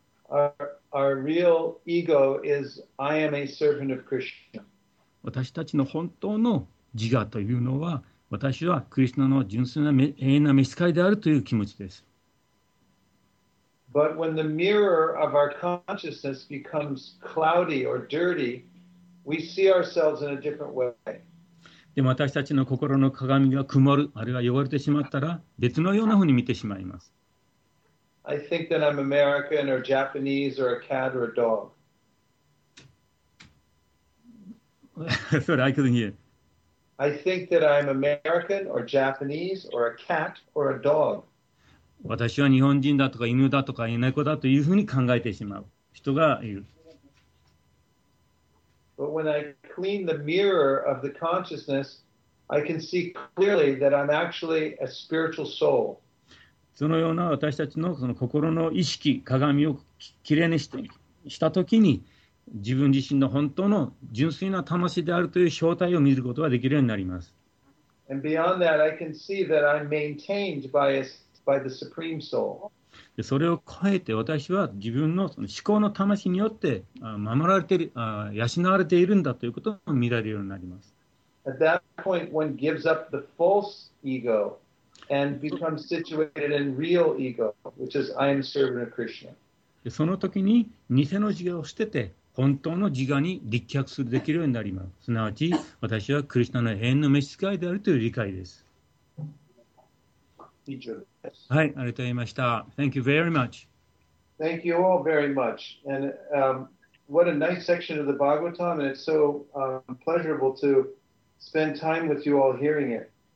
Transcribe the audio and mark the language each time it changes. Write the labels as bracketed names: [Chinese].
[English] our real ego is I am a servant of Krishna。 [Japanese] 私たちの本当の自我というのは、私はクリスナの純粋な永遠な召使いであるという気持ちです。 [English] But when the mirror of our consciousness becomes cloudy or dirty, we see ourselves in a different way。 [Japanese] でも私たちの心の鏡が曇る、あるいは汚れてしまったら、別のようなふうに見てしまいます。 [English] I think that I'm American or Japanese or a cat or a dog. Sorry, I couldn't hear. I think that I'm American or Japanese or a cat or a dog. [Japanese] 私は日本人だとか犬だとか猫だというふうに考えてしまう人がいる。 [English] But when I clean the mirror of the consciousness, I can see clearly that I'm actually a spiritual soul. [Japanese] そのような私たち の, その心の意識、鏡をきれいにしたときに、自分自身の本当の純粋な魂であるという正体を見ることができるようになります。 [English] And beyond that, I can see that I'm maintained by the supreme soul. [Japanese] それを超えて私は自分 の, その思考の魂によって守られている、養われているんだということを見られるようになります。 [English] At that point, one gives up the false ego and becomes situated in real ego, which is I am servant of Krishna。 [Japanese] その時に偽の自我を捨てて本当の自我に立脚するできるようになります。すなわち私はクリシナの永遠の召使いであるという理解です。以上。はい、ありがとうございました。 [English] Thank you very much. Thank you all very much. And、what a nice section of the Bhagavatam, and it's so、pleasurable to spend time with you all hearing it.